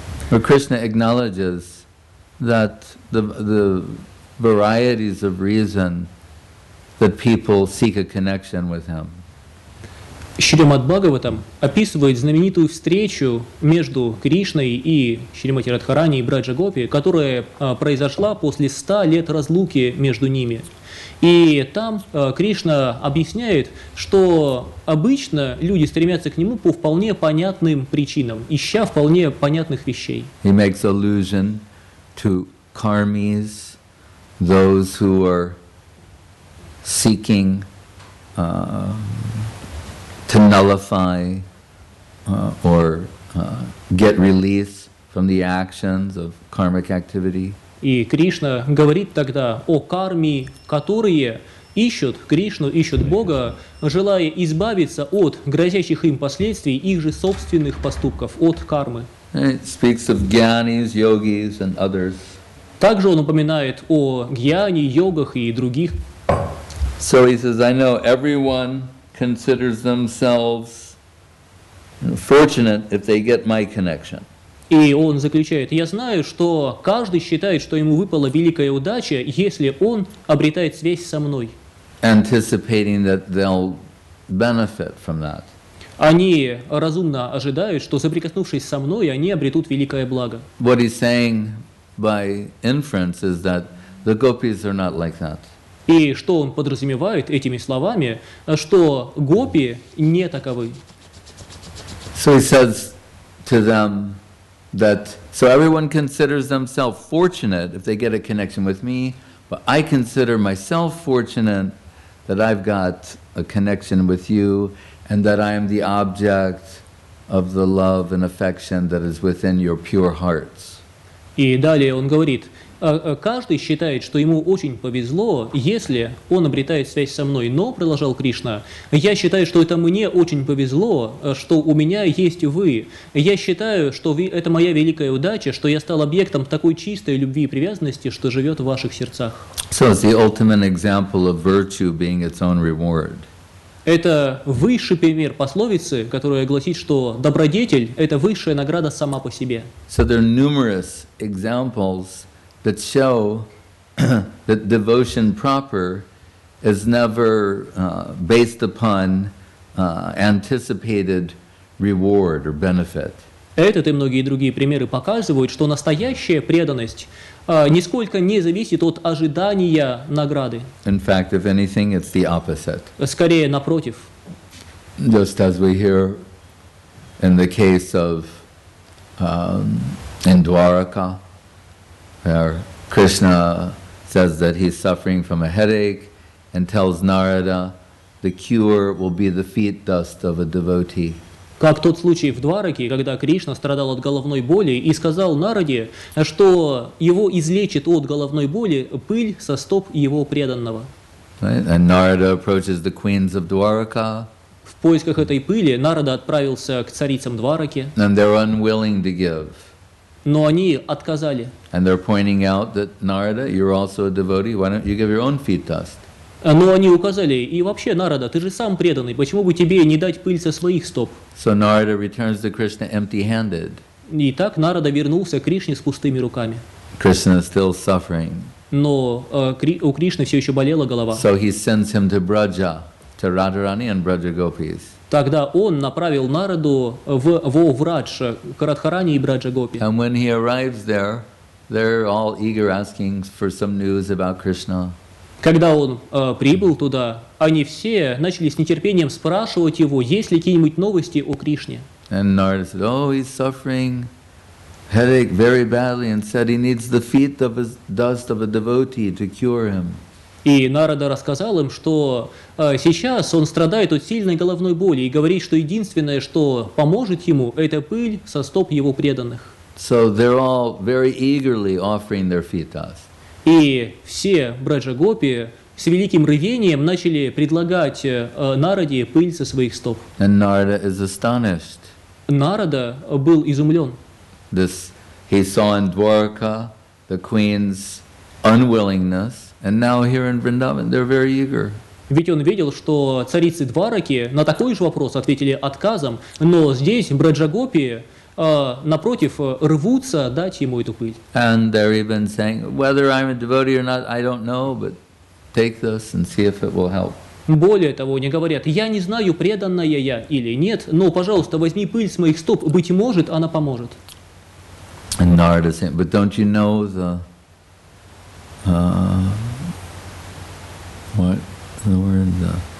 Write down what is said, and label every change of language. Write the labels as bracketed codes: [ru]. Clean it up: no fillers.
[en] But Krishna acknowledges that the varieties of reason that people seek a connection with him. [ru] Шримад Бхагаватам описывает знаменитую встречу между Кришной и Шримати Радхарани и Браджагопи, которая произошла после 100 лет разлуки между ними. И там Кришна объясняет, что обычно люди стремятся к нему по вполне понятным причинам, ища вполне понятных вещей. [en] He makes allusion to karmis, those who are seeking to nullify or get release from the actions of karmic activity. [ru] И Кришна говорит тогда о карме, которые ищут Кришну, ищут Бога, желая избавиться от грозящих им последствий их же собственных поступков, от кармы. [en] It speaks of gyanis, yogis and others. [ru] Также он упоминает о гьяни, йогах и других. [en] So he says, I know everyone considers themselves fortunate if they get my connection. [ru] И он заключает, я знаю, что каждый считает, что ему выпала великая удача, если он обретает связь со мной. [en] Anticipating that they'll benefit from that. [ru] Они разумно ожидают, что соприкоснувшись со мной, они обретут великое благо. [en] What he's saying by inference is that the gopis are not like that. [ru] И что он подразумевает этими словами, что гопи не таковы. [en] So he says to them that so everyone considers themselves fortunate if they get a connection with me, but I consider myself fortunate that I've got a connection with you and that I am the object of the love and affection that is within your pure hearts. [ru] И далее он говорит, каждый считает, что ему очень повезло, если он обретает связь со мной. Но, продолжал Кришна, я считаю, что это мне очень повезло, что у меня есть вы. Я считаю, что это моя великая удача, что я стал объектом такой чистой любви и привязанности, что живет в ваших сердцах. [en] So it's the ultimate example of virtue being its own reward. [ru] Это высший пример пословицы, которая гласит, что добродетель — это высшая награда сама по себе. [en] So there are numerous examples that show that devotion proper is never based upon anticipated reward or benefit. [ru] Этот и многие другие примеры показывают, что настоящая преданность нисколько не зависит от ожидания награды. [en] In fact, if anything, it's the opposite. [ru] Скорее, напротив. [en] Just as we hear in the case of in Dwaraka, where Krishna says that he's suffering from a headache and tells Narada, the cure will be the feet dust of a devotee. [ru] Как тот случай в Двараке, когда Кришна страдал от головной боли и сказал Нараде, что его излечит от головной боли пыль со стоп его преданного. [en] Right? And Narada approaches the queens of Dwaraka. [ru] В поисках этой пыли Нарада отправился к царицам Двараки. [en] And they're unwilling to give. [ru] Но они отказали. [en] And they're pointing out that Narada, you're also a devotee. Why don't you give your own feet dust? [ru] Но они указали, и вообще, Нарада, ты же сам преданный, почему бы тебе не дать пыль со своих стоп? [en] So Narada returns to Krishna empty-handed. [ru] И так Нарада вернулся к Кришне с пустыми руками. [en] Krishna is still suffering. [ru] Но у Кришны все еще болела голова. [en] So he sends him to Braja, to Radharani and Braja Gopis. [ru] Тогда он направил Нараду во Врадж, к Радхарани и Браджа Гопи. [en] And when he arrives there, they're all eager asking for some news about Krishna. [ru] Когда он прибыл туда, они все начали с нетерпением спрашивать его, есть ли какие-нибудь новости о Кришне. [en] And Narada said, oh, he's suffering headache very badly and said he needs the feet of his dust of a devotee to cure him. [ru] И Нарада рассказал им, что сейчас он страдает от сильной головной боли и говорит, что единственное, что поможет ему, это пыль со стоп его преданных. [en] So they're all very eagerly offering their feet dust. [ru] И все браджа-гопи с великим рвением начали предлагать Нараде пыль со своих стоп. [en] And Narada is astonished. [ru] Нарада был изумлен. [en] This he saw in Dwarka the queen's unwillingness, and now here in Vrindavan they're very eager. [ru] Ведь он видел, что царицы Двараки на такой же вопрос ответили отказом, но здесь браджа-гопи напротив, рвутся дать ему эту пыль. [en] And they're even saying, whether I'm a devotee or not, I don't know, but take this and see if it will help. [ru] Более того, они говорят, я не знаю, преданная я или нет, но, пожалуйста, возьми пыль с моих стоп, быть может, она поможет. [en] And Narada saying, but don't you know the what the word the